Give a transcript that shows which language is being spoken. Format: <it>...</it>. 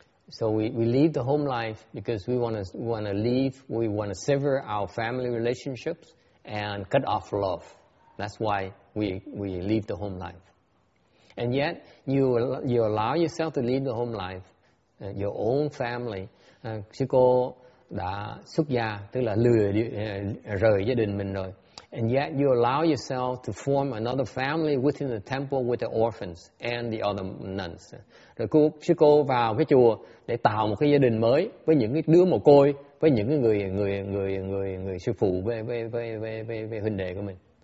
<en>So we leave the home life because we want to leave, we want to sever our family relationships and cut off love. That's why we leave the home life. And yet you allow yourself to leave the home life, your own family.</en> <vi>Sư cô đã xuất gia, tức là lừa đi, rời gia đình mình rồi.</vi> <en>And yet you allow yourself to form another family within the temple with the orphans and the other nuns.</en> <vi>Rồi cô vào cái chùa để tạo một cái gia đình mới với những cái đứa mồ côi, với những cái người sư phụ với huynh đệ của mình.</vi>